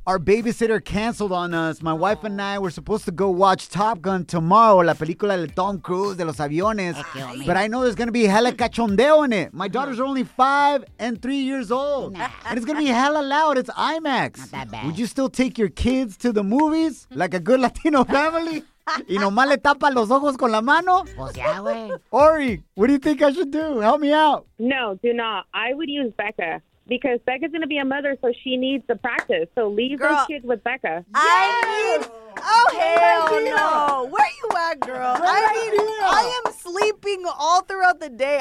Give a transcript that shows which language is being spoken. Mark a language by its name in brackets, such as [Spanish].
[English] Our babysitter canceled on us. My wife and I were supposed to go watch Top Gun tomorrow, [Spanish] la película de Tom Cruise, de los aviones. [English] But I know there's going to be hella cachondeo in it. My daughters are only 5 and 3 years old. Nah. And it's going to be hella loud. It's IMAX. Not that bad. Would you still take your kids to the movies like a good Latino family? [Spanish] Y nomás le tapa los ojos con la mano. Pues ya, güey. [English] Ori, what do you think I should do? Help me out. No, do not. I would use Becca. Because Becca's going to be a mother, so she needs the practice. So leave girl, those kids with Becca. I need... Oh, hell no. Where you at, girl? I am sleeping all throughout the day.